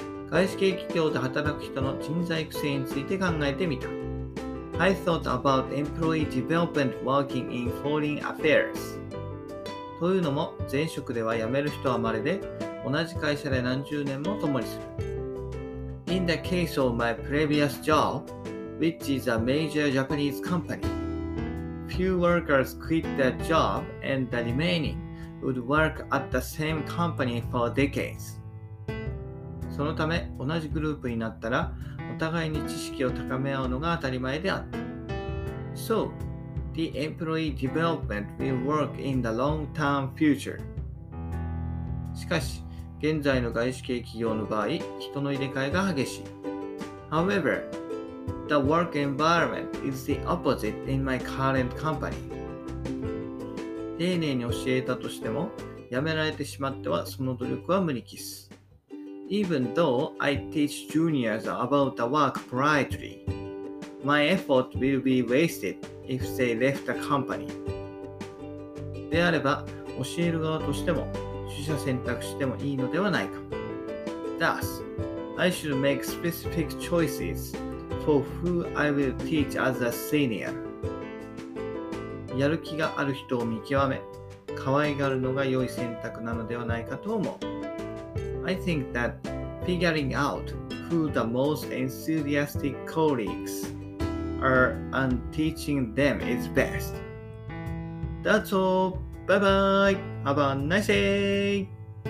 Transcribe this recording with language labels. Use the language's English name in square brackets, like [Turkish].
[Japanese] 外資系企業で働く人の人材育成について考えてみた。 [English] I thought about employee development working in foreign affairs. [Japanese] というのも、前職では辞める人は稀で、同じ会社で何十年も共にする。 [English] In the case of my previous job, which is a major Japanese company, few workers quit that job and the remaining would work at the same company for decades. [Japanese] そのため、同じグループになったら、お互いに知識を高め合うのが当たり前であった。 [English] So, the employee development will work in the long-term future. [Japanese] しかし、現在の外資系企業の場合、人の入れ替えが激しい。 [English] However, the work environment is the opposite in my current company. [Japanese] 丁寧に教えたとしても、辞められてしまってはその努力は無に帰す。 [English] Even though I teach juniors about the work politely, my effort will be wasted if they left the company. [Japanese] であれば、教える側としても、取捨選択してもいいのではないか。 [English] Thus, I should make specific choices for who I will teach as a senior. [Japanese] やる気がある人を見極め、可愛がるのが良い選択なのではないかと思う。 [English] I think that figuring out who the most enthusiastic colleagues are and teaching them is best. That's all. Bye-bye. Have a nice day.